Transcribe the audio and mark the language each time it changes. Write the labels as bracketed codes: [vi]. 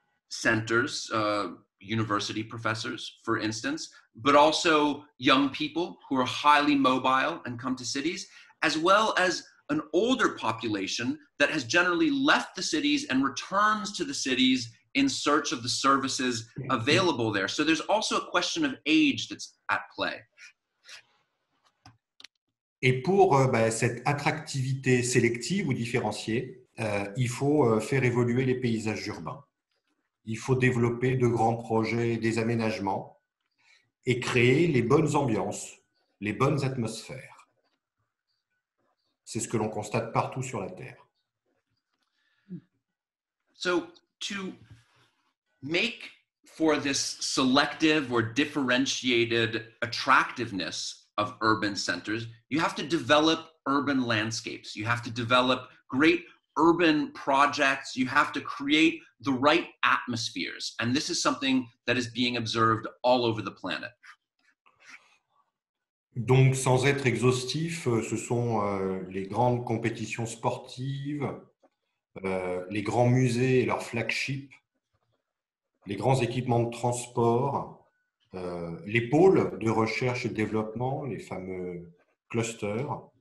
[en] centers, university professors, for instance, but also young people who are highly mobile and come to cities, as well as an older population that has generally left the cities and returns to the cities in search of the services available there. So there's also a question of age that's at play. [fr] Et pour cette attractivité sélective ou différenciée, il faut faire évoluer les paysages urbains. Il faut développer de grands projets, des aménagements et créer les bonnes ambiances, les bonnes atmosphères. C'est ce que l'on constate partout sur la Terre. [en] So to make for this selective or differentiated attractiveness of urban centers, you have to develop urban landscapes. You have to develop great urban projects. You have to create the right atmospheres. And this is something that is being observed all over the planet. [fr] Donc, sans être exhaustif, ce sont les grandes compétitions sportives, les grands musées et leurs flagships, les grands équipements de transport, les pôles de recherche et de développement, les fameux clusters.